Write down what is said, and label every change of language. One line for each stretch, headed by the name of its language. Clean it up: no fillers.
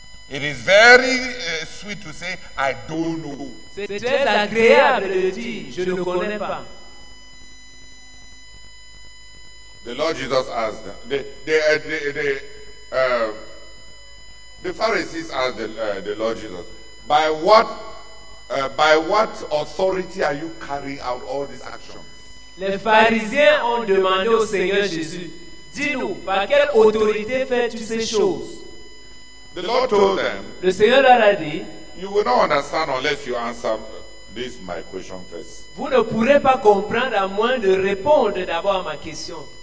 English: It is very sweet to say, I don't know.
French: C'est très agréable de dire, je ne connais pas.
English: The Lord Jesus asked them, the Pharisees asked the Lord Jesus, by what authority are you carrying out all these actions?
French: Les pharisiens ont demandé au Seigneur Jésus, dis-nous, par quelle autorité fais-tu ces choses?
English: The Lord told them,
French: le Seigneur leur a dit,
English: you will not understand unless you answer this my question first.
French: Vous ne pourrez pas comprendre à moins de répondre d'abord à ma question.